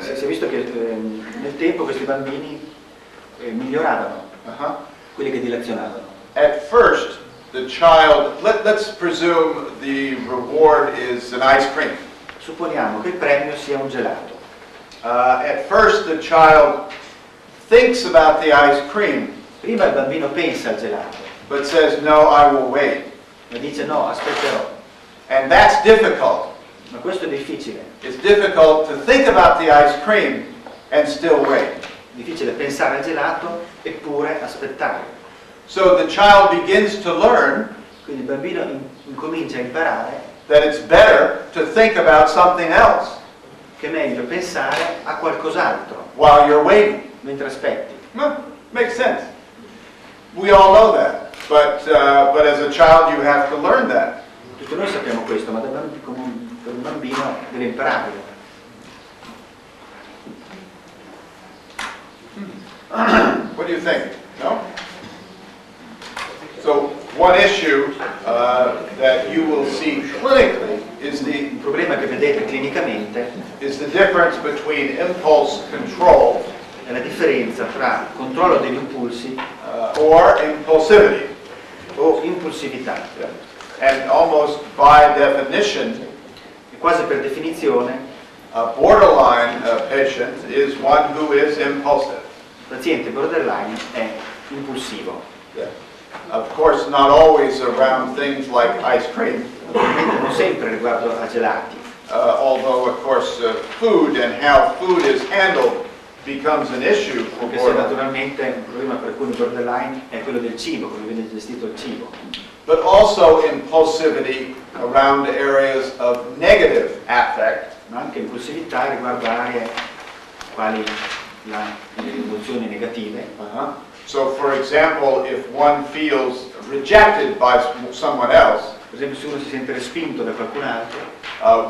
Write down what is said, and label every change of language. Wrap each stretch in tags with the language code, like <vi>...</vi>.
<it>Si è visto che nel tempo questi bambini miglioravano. quelli che dilazionavano.</it> <en>At first, the child, let's presume the reward is an ice cream.</en> <it>Supponiamo che il premio sia un gelato.</it> <en>At first, the child thinks about the ice cream.</en> <it>Prima il bambino pensa al gelato.</it> <en>But says, no, I will wait.</en> <it>Ma dice, no, aspetterò.</it> <en>And that's difficult.</en> <it>Ma questo è difficile.</it> <en>It's difficult to think about the ice cream and still wait.</en> <it>Difficile pensare al gelato eppure aspettare.</it> <en>So the child begins to learn.</en> <it>Quindi il bambino incomincia a imparare.</it> <en>That it's better to think about something else.</en> <it>Che è meglio pensare a qualcos'altro.</it> <en>While you're waiting.</en> <it>Mentre aspetti.</it> <en>Well, makes sense. We all know that, but as a child you have to learn that.</en> <it>Tutti noi sappiamo questo, ma per un bambino deve imparare.</it> <en>What do you think? No? So, one issue that you will see clinically is the</en> <it>problema che vedete clinicamente</it> <en>is the difference between impulse control</en> <it>e la differenza tra controllo degli impulsi</it> <en>or impulsivity</en> <it>o impulsività.</it> <en>And almost by definition,</en> <it>e quasi per definizione,</it> <en>a borderline patient is one who is impulsive.</en> <it>Il paziente borderline è impulsivo.</it> <en>Of course, not always around things like ice cream.</en> <it>Non sempre riguardo a gelati.</it> <en>Although, of course, food and how food is handled becomes an issue for borderline.</en> <it>Perché se naturalmente un problema per cui il borderline è quello del cibo, come viene gestito il cibo.</it> <en>But also impulsivity around areas of negative affect.</en> <it>Ma anche impulsività riguardo aree quali le emozioni negative.</it> <en>So, for example, if one feels rejected by someone else,</en> <it>per esempio, se uno si sente respinto da qualcun altro,</it>